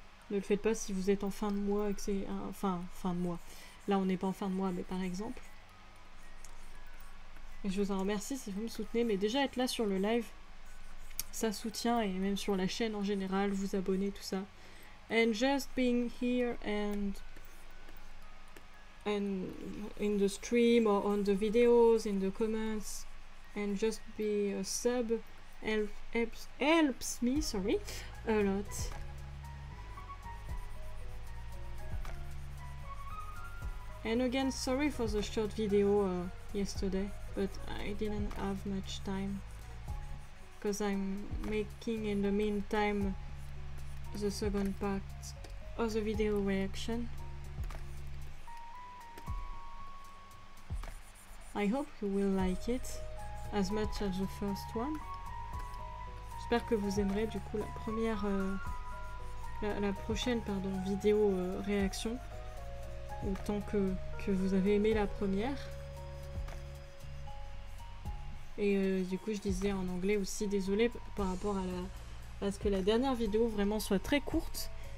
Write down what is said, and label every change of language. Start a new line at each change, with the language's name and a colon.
French: Ne le faites pas si vous êtes en fin de mois et que c'est fin de mois. Là, on n'est pas en fin de mois, mais par exemple. Et je vous en remercie si vous me soutenez. Mais déjà être là sur le live, ça soutient, et même sur la chaîne en général, vous abonner, tout ça.
English: And just being here and in the stream or on the videos, in the comments, and just be a sub helps me, sorry, a lot. And again, sorry for the short video yesterday, but I didn't have much time, because I'm making in the meantime the second part of the video reaction. I hope you will like it as much as the first one.
French: J'espère que vous aimerez du coup la première, la prochaine, pardon, vidéo réaction autant que vous avez aimé la première. Et du coup, je disais en anglais aussi, désolé par rapport à parce que la dernière vidéo vraiment soit très courte.